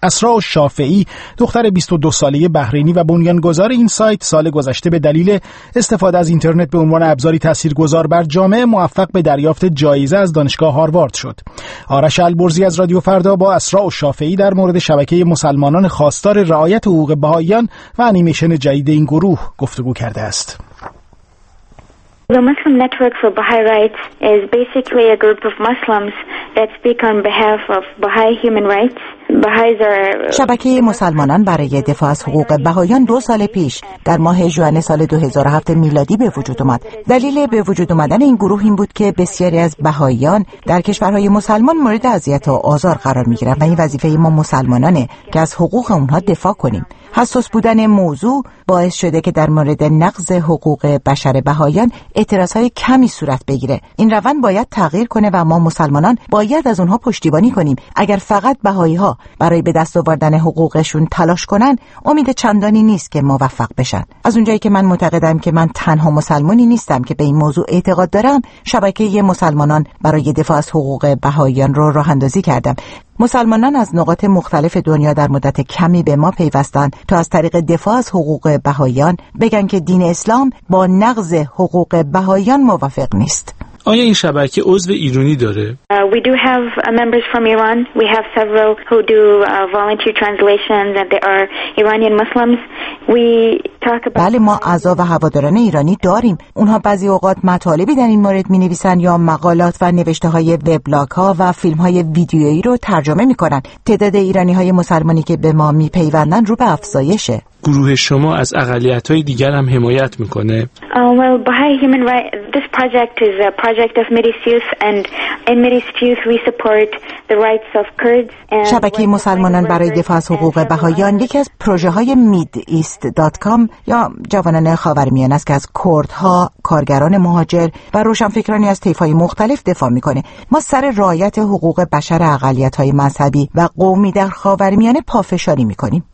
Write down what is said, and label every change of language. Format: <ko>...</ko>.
<fa>اسراء شافعی، دختر 22 ساله بحرینی و بنیانگذار این سایت، سال گذشته به دلیل استفاده از اینترنت به عنوان ابزاری تاثیرگذار بر جامعه موفق به دریافت جایزه از دانشگاه هاروارد شد. آرش البرزی از رادیو فردا با اسراء شافعی در مورد شبکه مسلمانان خواستار رعایت حقوق بهائیان و انیمیشن جدید این گروه گفتگو کرده است.</fa> <en>The Muslim Network for Baha'i Rights is basically a group of Muslims that speak on behalf of Baha'i human rights.</en> <fa>شبکه مسلمانان برای دفاع از حقوق بهایان دو سال پیش در ماه ژوئن سال 2007 میلادی به وجود آمد. دلیل به وجود آمدن این گروه این بود که بسیاری از بهایان در کشورهای مسلمان مورد اذیت و آزار قرار می گیرند و این وظیفه ما مسلمانانه که از حقوق اونها دفاع کنیم. حساس بودن موضوع باعث شده که در مورد نقض حقوق بشر بهایان اعتراض‌های کمی صورت بگیره. این روند باید تغییر کنه و ما مسلمانان باید از اونها پشتیبانی کنیم. اگر فقط بهایی‌ها برای به دست آوردن حقوقشون تلاش کنن، امید چندانی نیست که موفق بشن. از اونجایی که من معتقدم که من تنها مسلمانی نیستم که به این موضوع اعتقاد دارم، شبکه ی مسلمانان برای دفاع از حقوق بهائیان رو راه اندازی کردم. مسلمانان از نقاط مختلف دنیا در مدت کمی به ما پیوستن تا از طریق دفاع از حقوق بهائیان بگن که دین اسلام با نقض حقوق بهائیان موافق نیست. آیا این شبکه عضو ایرانی داره؟</fa> <en>We do have members from Iran. We have several who do volunteer translations and they are Iranian Muslims.</en> <fa>بله، ما اعضا و هواداران ایرانی داریم. اونها بعضی اوقات مطالبی در این مورد می‌نویسن یا مقالات و نوشته‌های وبلاگ‌ها و فیلم‌های ویدیویی رو ترجمه می‌کنن. تعداد ایرانی‌های مسلمانی که به ما می‌پیوندن رو به افزایشه. گروه شما از اقلیت‌های دیگر هم حمایت می‌کنه؟</fa> <en>Well, Baha'i Human Rights, this project is a project of Middle East, and in Middle East we support the rights of Kurds.</en> <fa>شبکه مسلمانان برای دفاع از حقوق بهائیان یکی از پروژه‌های MidEast.com یا جوانان خاورمیانه است که از کردها، کارگران مهاجر و روشنفکرانی از طیف‌های مختلف دفاع می‌کنه. ما سر رعایت حقوق بشر اقلیت‌های مذهبی و قومی در خاورمیانه پافشاری می‌کنیم.</fa>